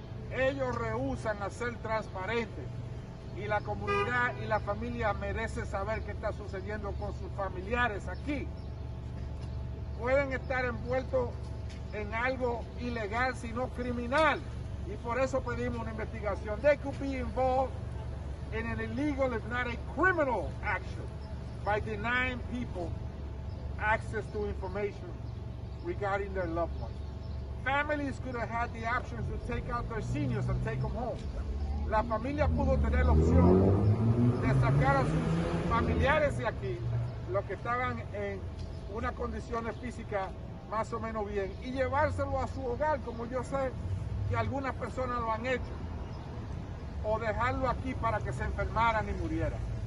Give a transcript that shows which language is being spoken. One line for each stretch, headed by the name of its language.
Spanish: Ellos rehúsan a ser transparentes y la comunidad y la familia merece saber qué está sucediendo con sus familiares aquí. Pueden estar envueltos en algo ilegal, sino criminal. Y por eso pedimos una investigación.
English: They could be involved in an illegal, if not a criminal action, by denying people access to information regarding their loved ones. Families could have had the option to take out their seniors and take them home.
Spanish: La familia pudo tener la opción de sacar a sus familiares de aquí, los que estaban en unas condiciones físicas más o menos bien, y llevárselo a su hogar, como yo sé que algunas personas lo han hecho, o dejarlo aquí para que se enfermaran y murieran.